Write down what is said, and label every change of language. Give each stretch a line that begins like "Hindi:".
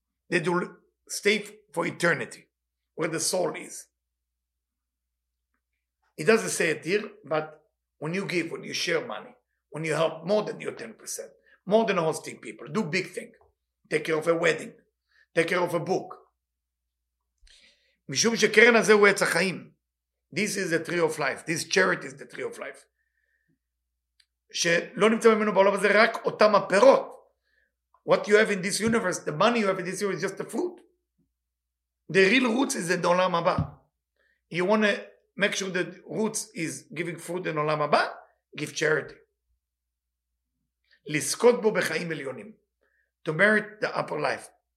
English: They will stay for eternity where the soul is. It doesn't say it here, but when you give, when you share money, when you help more than your 10%, more than hosting people, do big thing. Take care of a wedding. Take care of a book.
Hebrew: משום שקרן הזה הוא עץ החיים.
English: This is the tree of life. This charity is the tree of life.
Hebrew: שלא נמצא ממנו בעולם הזה רק אותם הפירות.
English: What you have in this universe, the money you have in this universe is just the fruit. The real roots is in עולם הבא. You want to make sure that roots is giving fruit in עולם הבא? Give charity.
Hebrew: לזכות בו בחיים עליונים.
English: To merit the upper life.